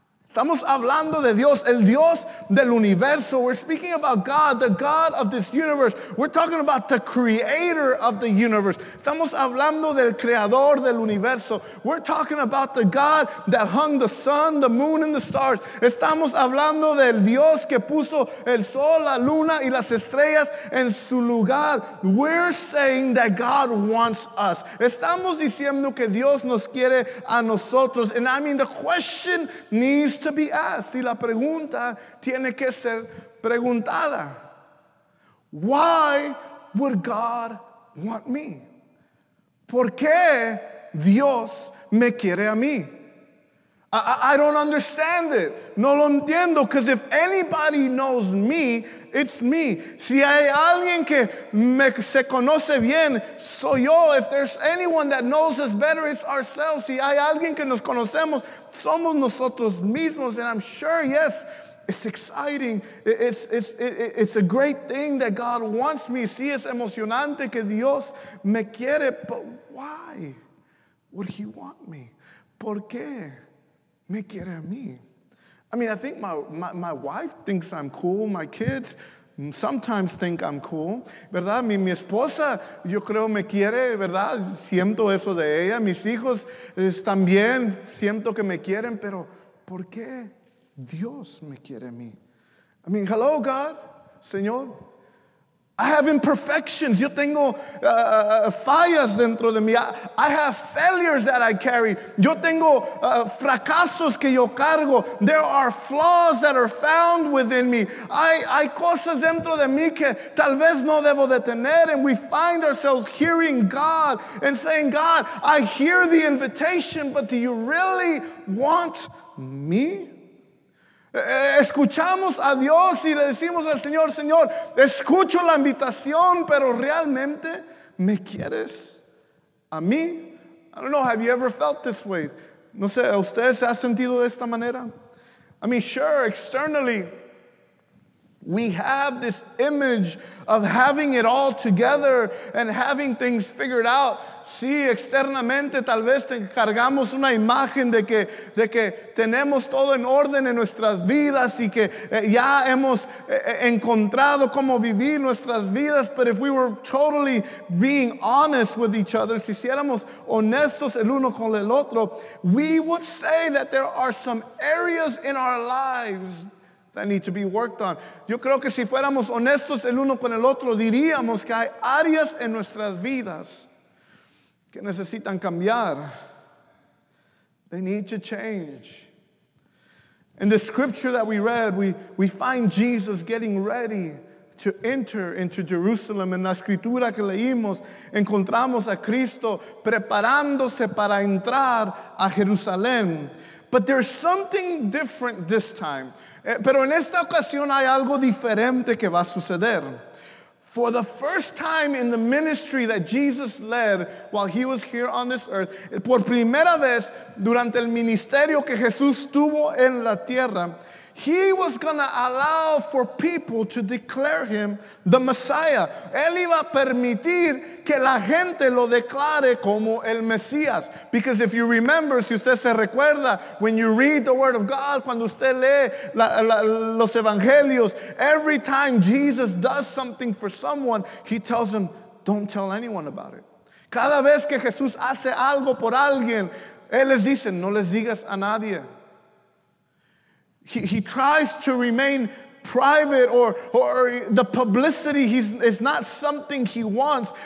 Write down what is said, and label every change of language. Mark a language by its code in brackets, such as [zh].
[es] Estamos hablando de Dios, el Dios del universo. [en] We're speaking about God, the God of this universe. We're talking about the creator of the universe. [es] Estamos hablando del creador del universo. [en] We're talking about the God that hung the sun, the moon, and the stars. [es] Estamos hablando del Dios que puso el sol, la luna, y las estrellas en su lugar. [en] We're saying that God wants us. [es] Estamos diciendo que Dios nos quiere a nosotros. [en] And I mean, the question needs to be asked. [es] Y la pregunta tiene que ser preguntada. [en] Why would God want me? [es] ¿Por qué Dios me quiere a mí? [en] I don't understand it. [es] No lo entiendo. [en] Because if anybody knows me, it's me. [es] Si hay alguien que se conoce bien, soy yo. [en] If there's anyone that knows us better, it's ourselves. [es] Si hay alguien que nos conocemos, somos nosotros mismos. [en] And I'm sure, yes, it's exciting. It's a great thing that God wants me. [es] Sí, es emocionante que Dios me quiere. [en] But why would he want me? [es] ¿Por qué me quiere a mí? [en] I mean, I think my wife thinks I'm cool. My kids sometimes think I'm cool. [es] ¿Verdad? Mi esposa, yo creo, me quiere, ¿verdad? Siento eso de ella. Mis hijos también siento que me quieren. Pero ¿por qué Dios me quiere a mí? [en] I mean, hello, God, Señor. I have imperfections. [es] Yo tengo fallas dentro de mí. [en] I have failures that I carry. [es] Yo tengo fracasos que yo cargo. [en] There are flaws that are found within me. [es] Hay cosas dentro de mí que tal vez no debo de tener. [en] And we find ourselves hearing God and saying, God, I hear the invitation, but do you really want me? [es] Escuchamos a Dios y le decimos al Señor, Señor, escucho la invitación, pero realmente me quieres a mí. [en] I don't know, have you ever felt this way? [es] No sé, ¿usted se ha sentido de esta manera? [en] I mean, sure, externally, we have this image of having it all together and having things figured out. [es] Sí, externamente tal vez te cargamos una imagen de que tenemos todo en orden en nuestras vidas y que ya hemos encontrado cómo vivir nuestras vidas. [en] But if we were totally being honest with each other, [es] si fuéramos honestos el uno con el otro, [en] we would say that there are some areas in our lives that need to be worked on. [es] Yo creo que si fuéramos honestos el uno con el otro, diríamos que hay áreas en nuestras vidas que necesitan cambiar. [en] They need to change. In the scripture that we read, we find Jesus getting ready to enter into Jerusalem. [es] En la escritura que leímos, encontramos a Cristo preparándose para entrar a Jerusalén. [en] But there's something different this time. [es] Pero en esta ocasión hay algo diferente que va a suceder. [en] For the first time in the ministry that Jesus led while he was here on this earth, [es] por primera vez durante el ministerio que Jesús tuvo en la tierra, [en] he was going to allow for people to declare him the Messiah. [es] Él iba a permitir que la gente lo declare como el Mesías. [en] Because if you remember, [es] si usted se recuerda, [en] when you read the word of God, [es] cuando usted lee los evangelios, [en] every time Jesus does something for someone, he tells them, don't tell anyone about it. [es] Cada vez que Jesús hace algo por alguien, Él les dice, no les digas a nadie. [en] He tries to remain private, or the publicity is not something he wants.